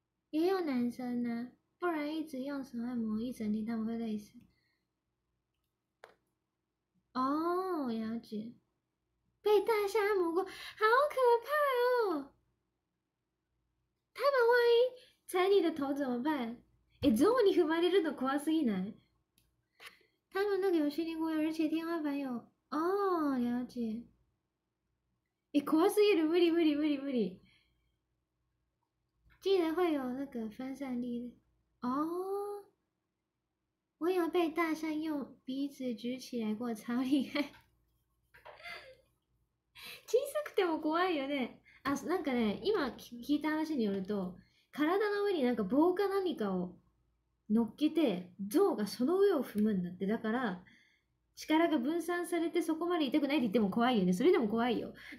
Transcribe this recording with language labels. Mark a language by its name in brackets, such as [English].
[Chinese] 也有男生呢、啊，不然一直用手按摩一整天，他们会累死。哦，了解。被大象按摩过，好可怕哦！他们万一……踩你的头怎么办？ [Japanese] 哎，ゾウに踏まれるの怖すぎない？ [Chinese] 他们那个有训练过，而且天花板有哦，了解。哎， [Japanese] 怖すぎる，無理無理無理無理。 [Chinese] 竟然会有那个分散力哦！我有被大象用鼻子举起来过，超厉害。 [Japanese] 小さくても怖いよね。あ、なんかね、今聞いた話によると。体の上になんか棒か何かを乗っけて、象がその上を踏むんだって。だから、力が分散されてそこまで痛くないって言っても怖いよね。それでも怖いよ。